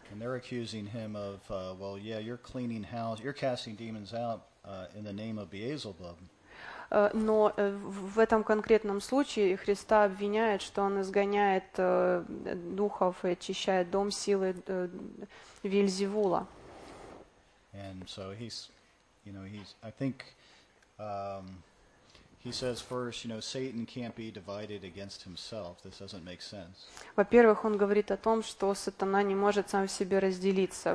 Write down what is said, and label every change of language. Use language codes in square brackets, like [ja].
[en] And they're accusing him of, well, yeah, you're cleaning house, you're casting demons out in the name of Beelzebub. [ru] Но в этом конкретном случае Христа обвиняют, что он изгоняет духов и очищает дом силы Вельзевула. [en] And so he's, you know, he's, I think, he says first, you know, Satan can't be divided against himself. This doesn't make sense. [ru] Во-первых, он говорит о том, что сатана не может сам в себе разделиться.